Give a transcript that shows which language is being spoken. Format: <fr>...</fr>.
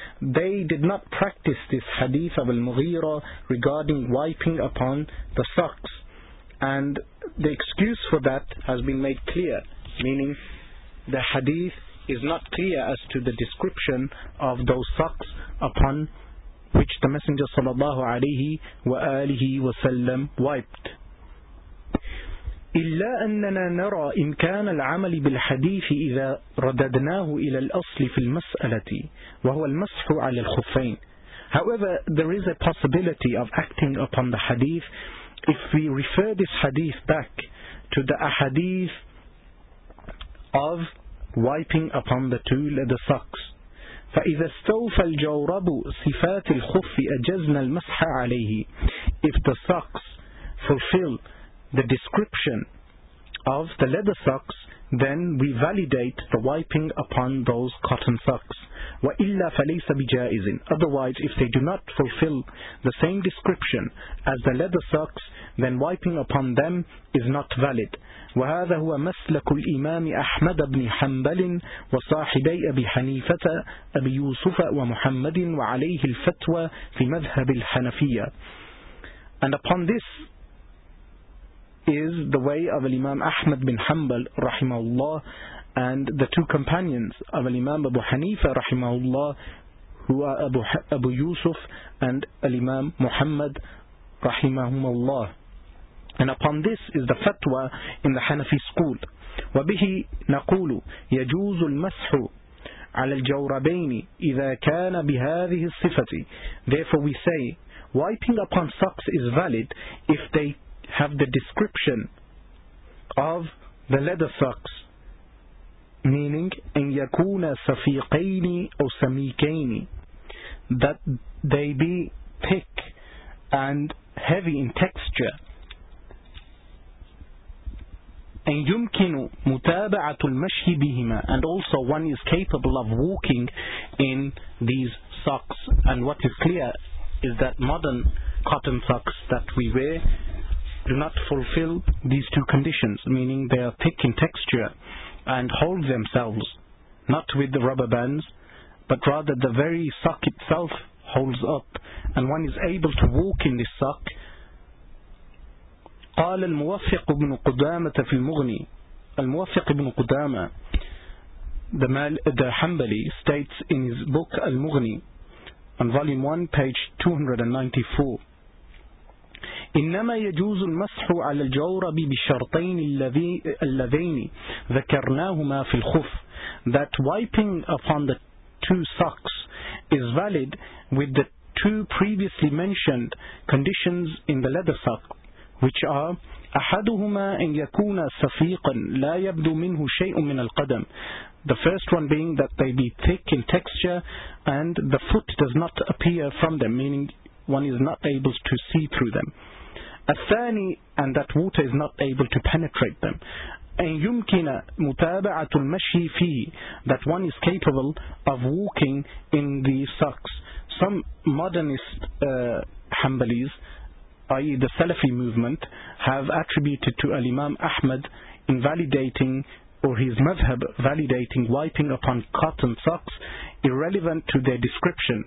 <en>They did not practice this hadith of al-Mughira regarding wiping upon the socks, and the excuse for that has been made clear, meaning the hadith is not clear as to the description of those socks upon which the Messenger sallallahu alayhi wa alihi wa sallam wiped.</en> <ar>إلا أننا نرى إن كان العمل بالحديث إذا رددناه إلى الأصل في المسألة وهو المسح على الخفين.</ar> <en>However, there is a possibility of acting upon the hadith if we refer this hadith back to the ahadith of wiping upon the two leather socks.</en> <ar>فإذا استوفى الجورب صفات الخف أجزنا المسح عليه.</ar> <en>If the socks fulfill the description of the leather socks, then we validate the wiping upon those cotton socks.</en> <ar>وَإِلَّا فَلَيْسَ بِجَائِزٍ.</ar> <en>Otherwise, if they do not fulfill the same description as the leather socks, then wiping upon them is not valid.</en> <ar>وَهَذَا هُوَ مَسْلَكُ الْإِمَامِ أَحْمَدَ بْنِ حَنْبَلٍ وَصَاحِبَيْ أَبِي حَنِيفَةَ أَبِي يُوسُفَ وَمُحَمَّدٍ وَعَلَيْهِ الْفَتْوَى فِي مَذْهَبِ الْحَنَفِيَّةِ.</ar> <en>And upon this is the way of Imam Ahmad bin Hanbal rahimahullah, and the two companions of Imam Abu Hanifa rahimahullah, who are Abu Yusuf and Imam Muhammad rahimahumullah. And upon this is the fatwa in the Hanafi school.</en> <ar>وبه نقول يجوز المسح على الجوربين إذا كان بهذه الصفة.</ar> <en>Therefore we say wiping upon socks is valid if they have the description of the leather socks, meaning</en> <ar>إن يكون صفيقين أو سميكين,</ar> <en>that they be thick and heavy in texture.</en> <ar>إن يمكن متابعة المشي بهما,</ar> <en>and also one is capable of walking in these socks. And what is clear is that modern cotton socks that we wear do not fulfill these two conditions, meaning they are thick in texture and hold themselves not with the rubber bands, but rather the very sock itself holds up, and one is able to walk in this sock.</en> <ar>قال الموفق بن قدامة في المغني. الموفق بن قدامة,</ar> <en>the Hanbali, states in his book Al-Mughni on volume 1 page 294,</en> <ar>إنما يجوز المسح على الجورب بشرطين اللذين ذكرناهما في الخف,</ar> <en>that wiping upon the two socks is valid with the two previously mentioned conditions in the leather sock, which are</en> <ar>أحدهما إن يكون صفيقا لا يبدو منه شيء من القدم,</ar> <en>the first one being that they be thick in texture and the foot does not appear from them, meaning one is not able to see through them.</en> <ar>الثاني,</ar> <en>and that water is not able to penetrate them.</en> <ar>أن يمكن متابعة المشي فيه,</ar> <en>that one is capable of walking in the socks. Some modernist Hanbalis, i.e. the Salafi movement, have attributed to Al-Imam Ahmad invalidating, or his madhab validating, wiping upon cotton socks irrelevant to their description.</en>